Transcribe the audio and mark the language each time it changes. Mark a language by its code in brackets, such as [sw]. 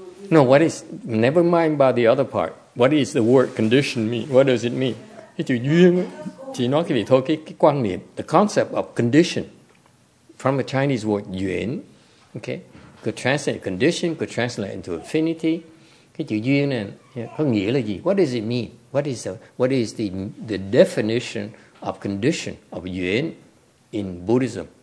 [en] No, what is, never mind about the other part. What is the word condition mean? What does it mean? [vi] Thì chữ duyên, chỉ nói cái gì thôi, cái quan niệm. [en] The concept of condition, from the Chinese word duyên, okay, could translate condition, could translate into affinity. [vi] Cái chữ duyên này, có nghĩa là gì? [en] What does it mean? What is the definition of condition, of duyên in Buddhism?